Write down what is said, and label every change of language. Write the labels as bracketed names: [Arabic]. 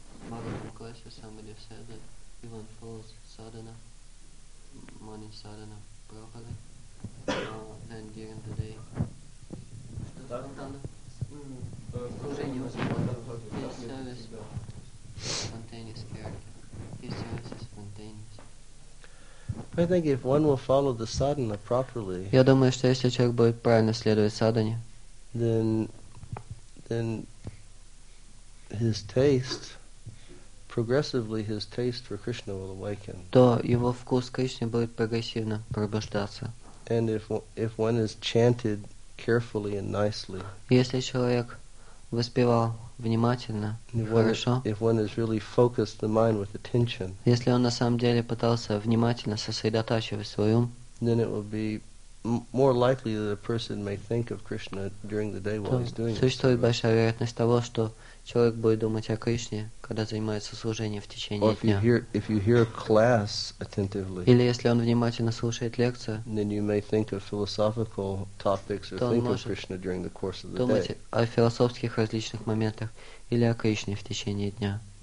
[English] Мага Пукласи, somebody said that even falls sadhana, morning sadhana properly, then during the day. [Russian] Что спонтанно? Служение спонтанно. [English] His service spontaneous character. His service is spontaneous. I think if one will follow the sadhana properly, [Russian] я думаю, что если человек будет правильно следовать садхане, [English] then his taste, progressively his taste for Krishna will awaken. [Russian] То его вкус к Кришне будет прогрессивно пробуждаться. [English] And if one is chanted carefully and nicely, [Russian] если человек воспевал внимательно, хорошо. [English] If one is really focused the mind with attention, [Russian] если он на самом деле пытался внимательно сосредотачивать свой ум, [English] then it will be more likely that a person may think of Krishna during the day while he's doing it. [Russian] Существует большая вероятность того, что человек будет думать о Кришне, когда занимается служением в течение дня. [English] If you hear a class attentively, [Russian] или если он внимательно слушает лекцию, [English] then you may think of philosophical topics or think of Krishna during the course of the day. [Russian] Думать о философских различных моментах или о Кришне в течение дня.